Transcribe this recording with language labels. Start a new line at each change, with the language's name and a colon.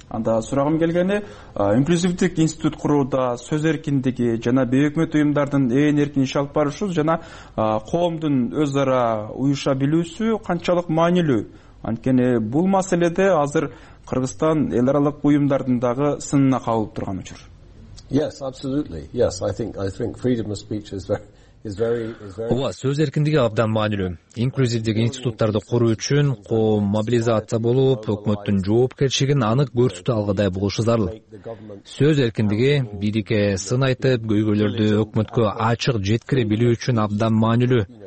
Kyrgyz: Анда сурагым келгени, инклюзивдик институт курууда сөз эркиндиги жана бейөкмөт уюмдардын ээн эркин иш алып барышы жана коомдун өз ара уюша билүүсү канчалык маанилүү? Анткени бул маселеде азыр Кыргызстан эл аралык уюмдардын дагы сынына кабылып турган учур.
English: Yes, absolutely. Yes, I think freedom of speech is very
Kyrgyz: Ооба, сөз эркиндиги абдан маанилүү. Инклюзивдик институттарды куруу үчүн коом мобилизация болуп, өкмөттүн жоопкерчилигин анык көрсөтө алгыдай болушу зарыл. Сөз эркиндиги бирике сын айтып, көйгөйлөрдү өкмөткө ачык жеткире билүү үчүн абдан маанилүү.